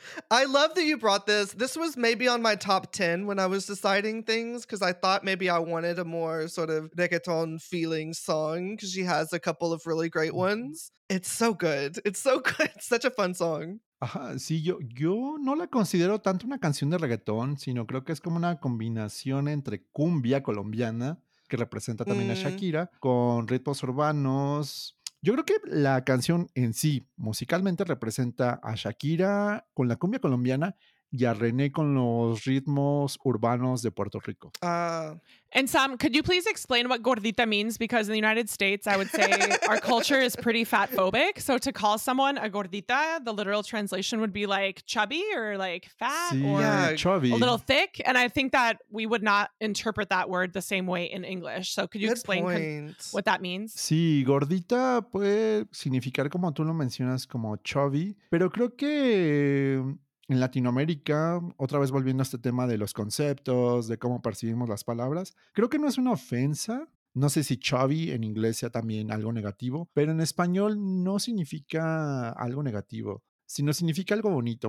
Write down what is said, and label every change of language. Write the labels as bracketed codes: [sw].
[en] I love that you brought this. This was maybe on my top 10 when I was deciding things, because I thought maybe I wanted a more sort of reggaeton feeling song, because she has a couple of really great ones. It's so good. It's so good. It's such a fun song. [es] Ajá, sí, yo no la considero tanto una canción de reggaeton, sino creo que es como una combinación entre cumbia colombiana, que representa también a Shakira, con ritmos urbanos. Yo creo que la canción en sí musicalmente representa a Shakira con la cumbia colombiana y a René con los ritmos urbanos de Puerto Rico. [en] And Sam, could you please explain what gordita means? Because in the United States, I would say our culture is pretty fat phobic. So to call someone a gordita, the literal translation would be like chubby or like fat chubby. A little thick. And I think that we would not interpret that word the same way in English. So could you good explain what that means? [es] Sí, gordita puede significar, como tú lo mencionas, como chubby. Pero creo que en Latinoamérica, otra vez volviendo a este tema de los conceptos, de cómo percibimos las palabras, creo que no es una ofensa. No sé si chubby en inglés sea también algo negativo, pero en español no significa algo negativo, sino significa algo bonito.